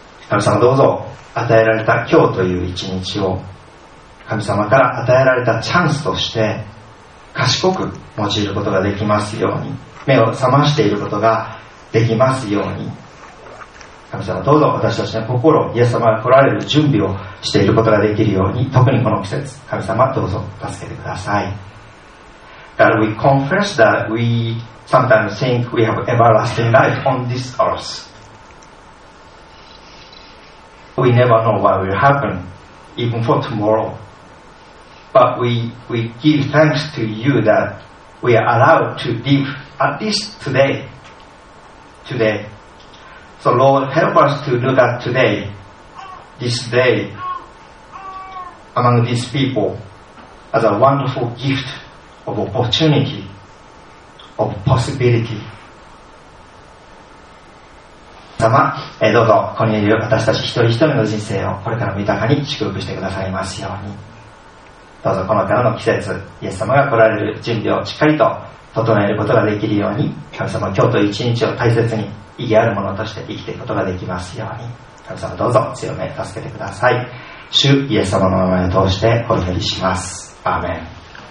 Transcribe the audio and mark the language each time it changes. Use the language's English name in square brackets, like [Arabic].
[Japanese] 神様どうぞ与えられた今日という一日を、神様から与えられたチャンスとして賢く用いることができますように、目を覚ましていることができますように、神様どうぞ私たちの心、イエス様が来られる準備をしていることができるように、特にこの季節、神様どうぞ助けてください。 [English] God, we confess that we sometimes think we have everlasting life on this earth. We never know what will happen, even for tomorrow. But we give thanks to you that we are allowed to live at least today. So Lord, help us to look at today, this day, among these people, as a wonderful gift of opportunity, of possibility. [Japanese] 様、どうぞここにいる私たち一人一人の人生をこれからも豊かに祝福してくださいますように。どうぞこのからの季節、イエス様が来られる準備をしっかりと整えることができるように、神様、今日という一日を大切に意義あるものとして生きていくことができますように、神様どうぞ強め助けてください。主イエス様の名前を通してお祈りします。アーメン。